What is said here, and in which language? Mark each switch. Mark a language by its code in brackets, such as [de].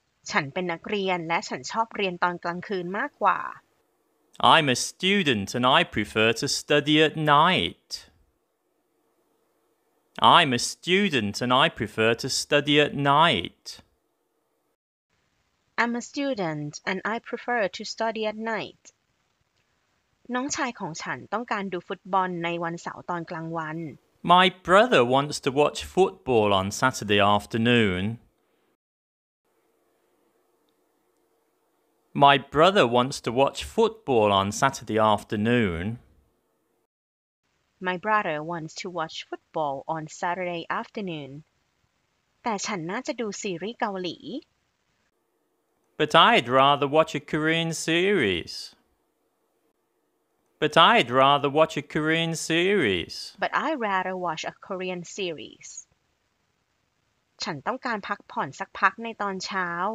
[th] ฉันเป็นนักเรียนและฉันชอบเรียนตอนกลางคืนมากกว่า [en] I'm a student and I prefer to study at night. I'm a student and I prefer to study at night. I'm a student and I prefer to study at night. [th] น้องชายของฉันต้องการดูฟุตบอลในวันเสาร์ตอนกลางวัน [en] My brother wants to watch football on Saturday afternoon. My brother wants to watch football on Saturday afternoon. My brother wants to watch football on Saturday afternoon. [th] แต่ฉันน่าจะดูซีรีส์เกาหลี [en] But I'd rather watch a Korean series. But I'd rather watch a Korean series. [th] ฉันต้องการพักผ่อนสักพักในตอนเช้า